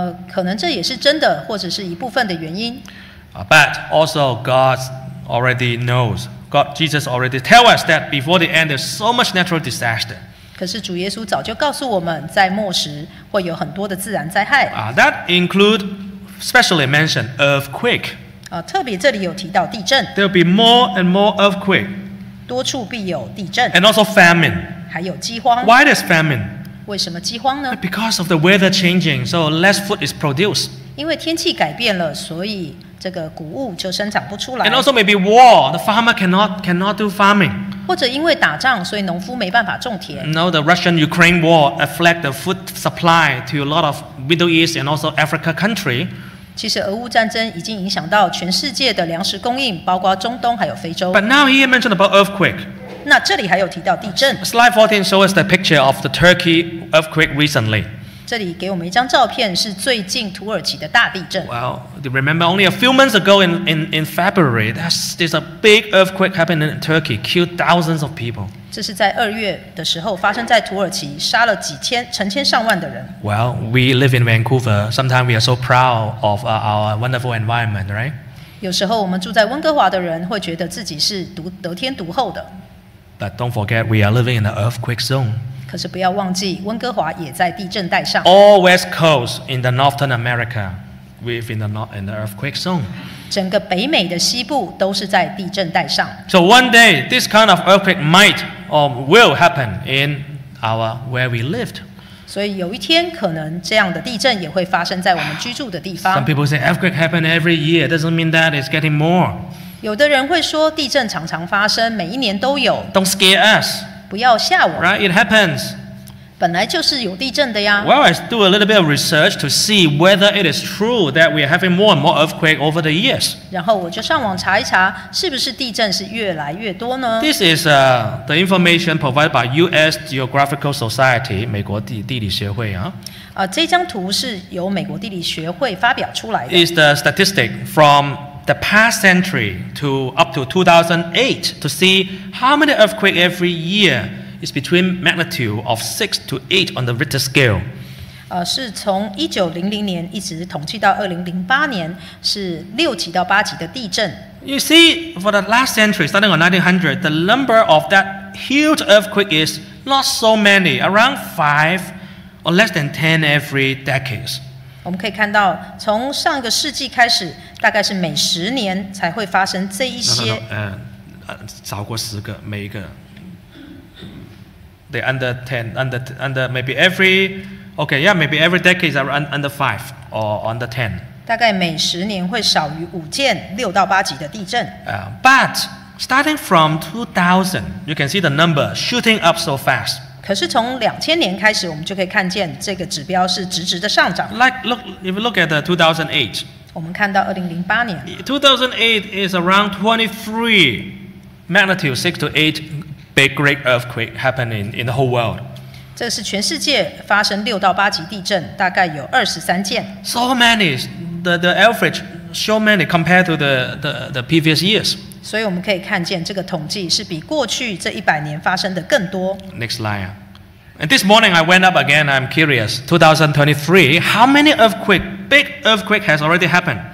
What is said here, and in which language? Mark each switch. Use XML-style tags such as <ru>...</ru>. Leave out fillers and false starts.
<zh>可能这也是真的，或者是一部分的原因。</zh> <en>But also, God already knows. God, Jesus already tell us that before the end, there's so much natural disaster.</en> <zh>可是主耶稣早就告诉我们，在末时会有很多的自然灾害。</zh> <en>That include specially mentioned earthquake.</en> <zh>特别这里有提到地震。</zh> <en>There'll be more and more earthquake.</en> <zh>多处必有地震。</zh> <en>And also famine.</en> <zh>还有饥荒。</zh> <en>Why there's famine?</en> <zh>为什么饥荒呢？</zh> <en>Because of the weather changing, so less food is produced.</en> <zh>因为天气改变了，所以这个谷物就生长不出来。</zh> <en>And also maybe war, the farmer cannot do farming.</en> <zh>或者因为打仗，所以农夫没办法种田。</zh> <en>No, the Russian-Ukraine war affect the food supply to a lot of Middle East and also Africa country.</en> <zh>其实俄乌战争已经影响到全世界的粮食供应，包括中东还有非洲。</zh> <en>But now he mentioned about earthquake.</en> <zh>那这里还有提到地震。</zh> <en>Slide 14 shows the picture of the Turkey earthquake recently.</en> <zh>这里给我们一张照片，是最近土耳其的大地震。</zh> <en>Well, you remember only a few months ago in February, there's a big earthquake happened in Turkey, killed thousands of people.</en> <zh>这是在二月的时候发生在土耳其，杀了成千上万的人。</zh> <en>Well, we live in Vancouver. Sometimes we are so proud of our wonderful environment, right?</en> <zh>有时候我们住在温哥华的人会觉得自己是得天独厚的。</zh> <en>But don't forget, we are living in an earthquake zone.</en> <zh>可是不要忘记，温哥华也在地震带上。</zh> <en>All West Coast in the Northern America, within in the earthquake zone.</en> <zh>整个北美的西部都是在地震带上。</zh> <en>So one day, this kind of earthquake might or will happen in our where we lived.</en> <zh>所以有一天，可能这样的地震也会发生在我们居住的地方。</zh> <en>Some people say earthquake happens every year. Doesn't mean that it's getting more.</en> <zh>有的人会说地震常常发生，每一年都有。</zh> <en>Don't scare us.</en> <zh>不要吓我。</zh> <en>Right, it happens.</en> <zh>本来就是有地震的呀。</zh> <en>Well, I do a little bit of research to see whether it is true that we are having more and more earthquake over the years.</en> <zh>然后我就上网查一查，是不是地震是越来越多呢？</zh> <en>This is the information provided by U.S.</en> <zh>Geographical Society, 美国地理协会啊。这张图是由美国地理学会发表出来的。</zh> <en>Is the statistic from the past century to up to 2008 to see how many earthquake every year? It's between magnitude of 6 to 8 on the Richter scale.</en> <zh>是从1900年一直统计到2008年，是六级到八级的地震。</zh> <en>You see, for the last century, starting on 1900, the number of that huge earthquake is not so many, around 5 or less than 10 every decades.</en> <zh>我们可以看到，从上个世纪开始，大概是每十年才会发生这一些。少过十个，每一个。</zh> <en>They under 10, under maybe every, okay, yeah, maybe every decade are under 5 or under 10.</en> <zh>大概每十年会少于五件六到八级的地震。</zh> <en>But starting from 2000, you can see the number shooting up so fast.</en> <zh>可是从2000年开始，我们就可以看见这个指标是直直的上涨。</zh> <en>Like, look, if you look at the 2008,</en> <zh>我们看到2008年。</zh> <en>2008 is around 23 magnitude 6 to 8. Big great earthquake happening in the whole world.</en> <zh>这是全世界发生六到八级地震，大概有23件。</zh> <en>So many, the average, so many compared to the previous years.</en> <zh>所以我们可以看见这个统计是比过去这一百年发生的更多。</zh> <en>Next line. And this morning I went up again. I'm curious. 2023, how many earthquake, big earthquake has already happened?</en>